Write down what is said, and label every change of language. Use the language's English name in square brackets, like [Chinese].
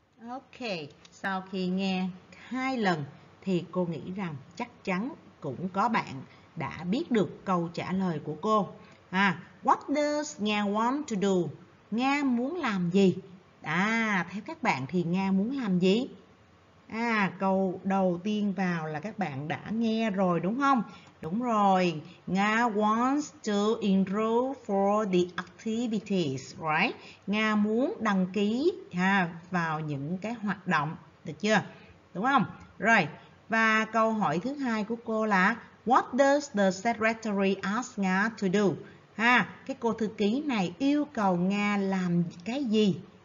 [Vietnamese] Okay, sau khi nghe hai lần thì cô nghĩ rằng chắc chắn cũng có bạn đã biết được câu trả lời của cô. [English] À, what does Nga want to do? Nga muốn làm gì? [Vietnamese] À, theo các bạn thì Nga muốn làm gì? À, câu đầu tiên vào là các bạn đã nghe rồi đúng không? [English] Đúng rồi, Nga wants to enroll for the activities, right? [Vietnamese] Nga muốn đăng ký vào những cái hoạt động, được chưa? Đúng không? Rồi, và câu hỏi thứ hai của cô là what does the secretary ask Nga to do? Ha, cái cô thư ký này yêu cầu Nga làm cái gì?